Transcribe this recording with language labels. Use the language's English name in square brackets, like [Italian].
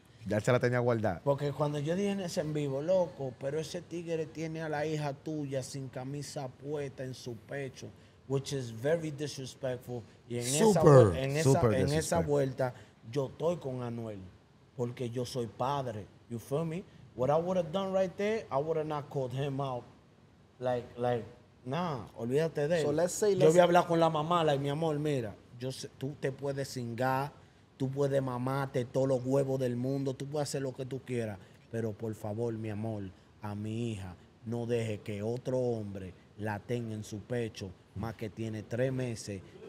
[Spanish] Ya se la tenía guardada. Porque cuando yo dije en ese en vivo, loco, pero ese tigre tiene a la hija tuya sin camisa puesta en su pecho, [English] which is very disrespectful. [Spanish] Y en esa vuelta, yo estoy con Anuel. Porque yo soy padre. [English] You feel me? What I would have done right there, I would have not called him out. Like, [Spanish] Nah, olvídate de eso. Yo voy a hablar con la mamá, like, mi amor, mira, yo sé, tú te puedes cingar, tú puedes mamarte todos los huevos del mundo, tú puedes hacer lo que tú quieras, pero por favor, mi amor, a mi hija, no deje que otro hombre la tenga en su pecho, más que tiene 3 meses.